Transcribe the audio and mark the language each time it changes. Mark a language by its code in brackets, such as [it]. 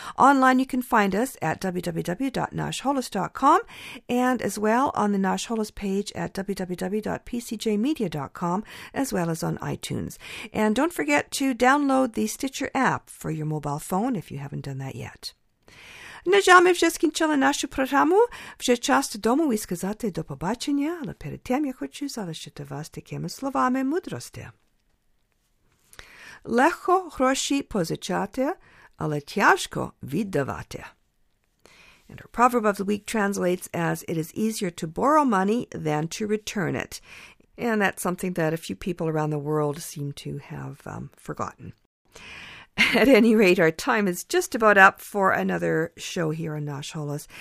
[en] Online, you can find us at www.nashholos.com, and as well on the Nash Holos page at www.pcjmedia.com, as well as on iTunes. And don't forget to download the Stitcher app for your mobile phone if you haven't done that yet. [uk] На жаль, ми вже скінчили нашу програму. Вже час додому і сказати до побачення, але перед тим я хочу залишити вас такими словами мудрості. Легко гроші позичати, але тяжко віддавати. [en] And our proverb of the week translates as, it is easier to borrow money than to return it. And that's something that a few people around the world seem to have forgotten. At any rate, our time is just about up for another show here on Nash Holos.